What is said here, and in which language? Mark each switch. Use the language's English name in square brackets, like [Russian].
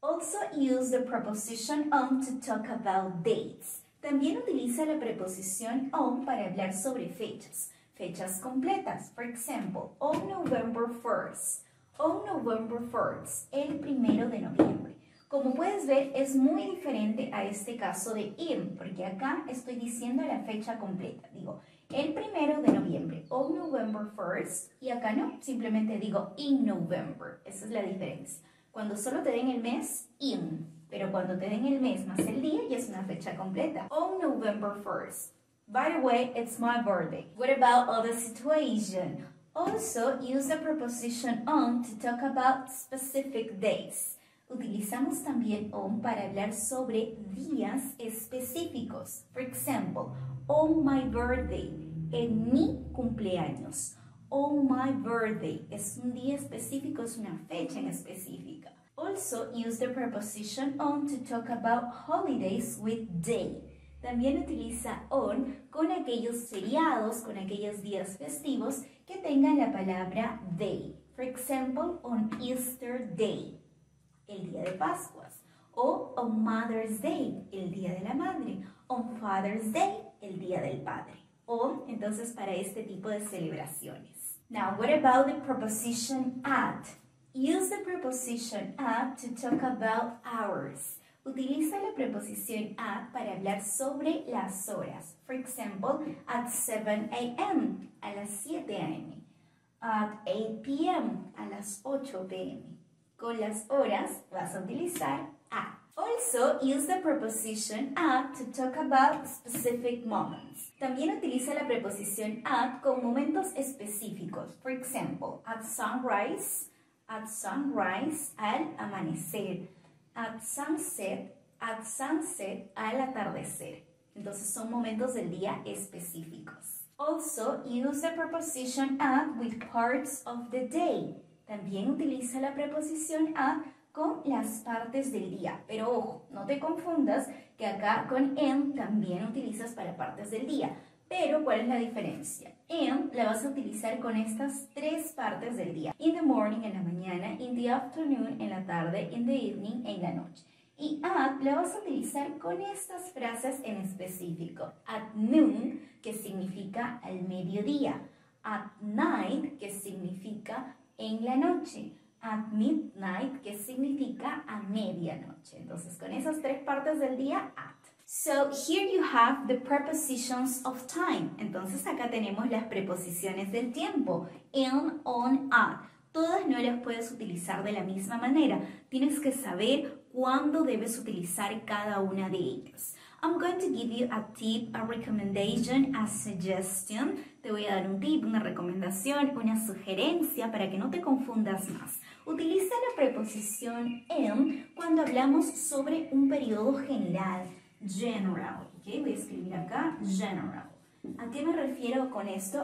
[English] Also use the preposition on to talk about dates. [Spanish] También utiliza la preposición on para hablar sobre fechas. Fechas completas. [English] For example, on November 1st. On November 1st, [Spanish] el primero de noviembre. Como puedes ver, es muy diferente a este caso de in, porque acá estoy diciendo la fecha completa. Digo, el primero de noviembre, [English] on November 1st. [Spanish] Y acá no, simplemente digo [English] in November. [Spanish] Esa es la diferencia. Cuando solo te den el mes, in. Pero cuando te den el mes más el día, ya es una fecha completa. [English] On November 1st. By the way, it's my birthday. What about other situation? Also, use the preposition on to talk about specific days. [Spanish] Utilizamos también on para hablar sobre días específicos. [English] For example, on my birthday. [Spanish] En mi cumpleaños. [English] On my birthday. [Spanish] Es un día específico, es una fecha en específica. [English] Also, use the preposition on to talk about holidays with day. [Spanish] También utiliza on con aquellos feriados, con aquellos días festivos que tengan la palabra day. [English] For example, on Easter Day, [Spanish] el día de Pascuas. [English] O on Mother's Day, [Spanish] el día de la madre. [English] On Father's Day, [Spanish] el día del padre. On, entonces, para este tipo de celebraciones. [English] Now, what about the preposition at? Use the preposition at to talk about hours. [Spanish] Utiliza la preposición at para hablar sobre las horas. [English] For example, at 7 a.m., [Spanish] a las 7 a.m. [English] At 8 p.m., [Spanish] a las 8 p.m. Con las horas vas a utilizar at. [English] Also, use the preposition at to talk about specific moments. [Spanish] También utiliza la preposición at con momentos específicos. [English] For example, at sunrise. At sunrise, [Spanish] al amanecer. [English] At sunset, [Spanish] al atardecer. Entonces son momentos del día específicos. [English] Also, use the preposition at with parts of the day. [Spanish] También utiliza la preposición at con las partes del día. Pero ojo, no te confundas que acá con am también utilizas para partes del día. Pero, ¿cuál es la diferencia? Am la vas a utilizar con estas 3 partes del día. [English] In the morning, [Spanish] en la mañana. [English] In the afternoon, [Spanish] en la tarde. [English] In the evening, [Spanish] en la noche. Y at la vas a utilizar con estas frases en específico. [English] At noon, [Spanish] que significa al mediodía. [English] At night, [Spanish] que significa en la noche. [English] At midnight, [Spanish] que significa a medianoche. Entonces, con esas tres partes del día, at. [English] So, here you have the prepositions of time. [Spanish] Entonces, acá tenemos las preposiciones del tiempo. In, on, at. Todas no las puedes utilizar de la misma manera. Tienes que saber cuándo debes utilizar cada una de ellas. [English] I'm going to give you a tip, a recommendation, a suggestion. [Spanish] Te voy a dar un tip, una recomendación, una sugerencia para que no te confundas más. Utiliza la preposición in cuando hablamos sobre un periodo general. General, ¿ok? Voy a escribir acá, general. ¿A qué me refiero con esto?